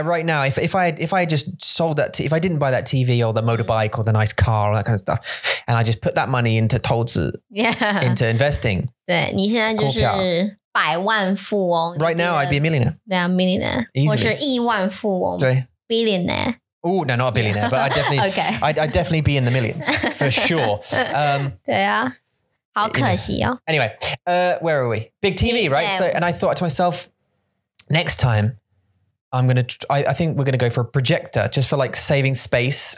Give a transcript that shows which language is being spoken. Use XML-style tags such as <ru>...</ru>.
<en>Right now, if I just sold that, if I didn't buy that TV or the motorbike or the nice car or that kind of stuff, and I just put that money into 投资，yeah, into investing.</en> <zh>对，你现在就是百万富翁。</zh> <en>Right now, I'd be a millionaire. Yeah, millionaire. Easily.</en> <zh>我是亿万富翁。对</zh> <en>，billionaire。 Oh, no, not a billionaire, but I'd definitely be in the millions, for sure.</en> <zh>对啊，好可惜哦。</zh> <en>Anyway, where are we? Big TV, right? So, and I thought to myself, next time, I think we're going to go for a projector, just for like saving space.</en>